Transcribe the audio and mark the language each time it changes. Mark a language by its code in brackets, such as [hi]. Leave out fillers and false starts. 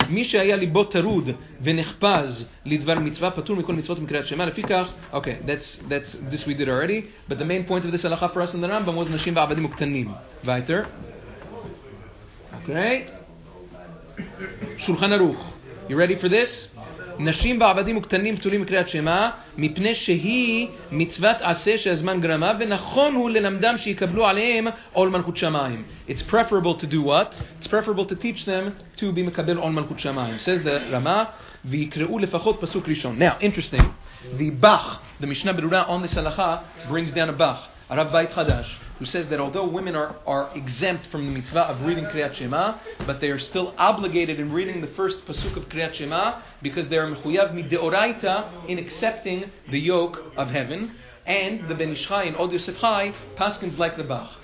[he] מי שהיה ליבו תרוד ונחפז לדבר מצווה פטור מכל מצוות מקריאת שמה. לפי כך, [en] okay, that's this we did already. But the main point of this הלכה for us in the Rambam was נשים ועבדים וקטנים. Weiter. Okay. שולחן ערוך. You ready for this? [he] נשים ועבדים וקטנים פטורים מקריאת שמה מפני שהיא מצוות עשה שהזמן גרמה ונכון הוא ללמדם שיקבלו עליהם עול מלכות שמיים. [en] It's preferable to do what? It's preferable to teach them to be מקבל עול מלכות שמיים. Says the Rama, [he] ויקראו לפחות פסוק ראשון. [en] Now, interesting. The Bach, the Mishnah Berurah on this הלכה, brings down a Bach, הרב בית חדש, who says that although women are exempt from the mitzvah of reading Kriyat Shema, but they are still obligated in reading the first pasuk of Kriyat Shema because they are mechuyav mideoraita in accepting the yoke of heaven, and the Ben Ish Chai and Od Yosef Chai paskins like the Bach.